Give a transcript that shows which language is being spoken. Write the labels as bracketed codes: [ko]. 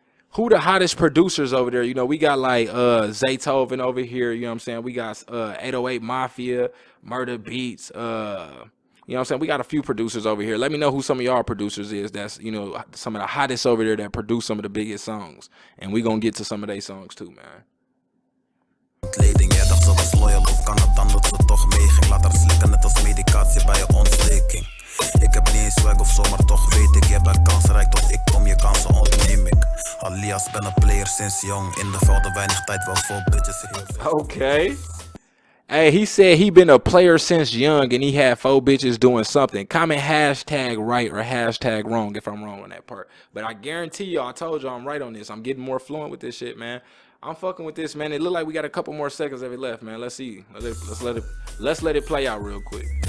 [en] Who the hottest producers over there? You know, we got like Zaytoven over here, you know what I'm saying? We got 808 Mafia, Murder Beats, you know what I'm saying? We got a few producers over here. Let me know who some of y'all producers is. That's, you know, some of the hottest over there that produce some of the biggest songs. And we're going to get to some of their songs too, man. [nl] kleding. Jij dacht ze was loyal, of kan het dan dat ze toch meeging? Laat haar slikken, net als medicatie bij je ontsteking. Ik heb niet eens swag of zo, maar toch weet ik, jij bent kansrijk, tot ik kom, je kansen ontneem ik. Alias, ben een player sinds jong, in de velden weinig tijd, wel vol bitches. [en] Okay. Hey, he said he been a player since young and he had four bitches doing something. Comment hashtag right or hashtag wrong if I'm wrong on that part. But I guarantee y'all, I told y'all I'm right on this. I'm getting more fluent with this shit, man. I'm fucking with this, man. It look like we got a couple more seconds of it left, man. Let's see. Let's let it play out real quick.